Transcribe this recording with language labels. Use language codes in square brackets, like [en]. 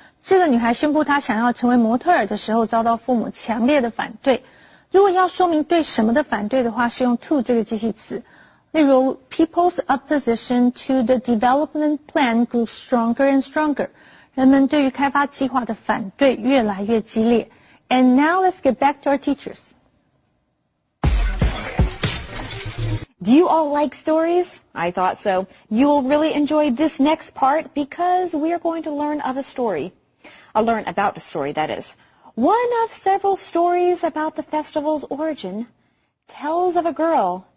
[zh] 这个女孩宣布她想要成为模特儿的时候，遭到父母强烈的反对。如果要说明对什么的反对的话，是用 to 这个介系词。例如 [en] ,people's opposition to the development plan grew stronger and stronger. [zh] 人们对于开发计划的反对越来越激烈。 [en] And now let's get back to our teachers. Do you all like stories? I thought so. You will really enjoy this next part because we are going to learn of a story. I'll learn about a story, that is. One of several stories about the festival's origin tells of a girl...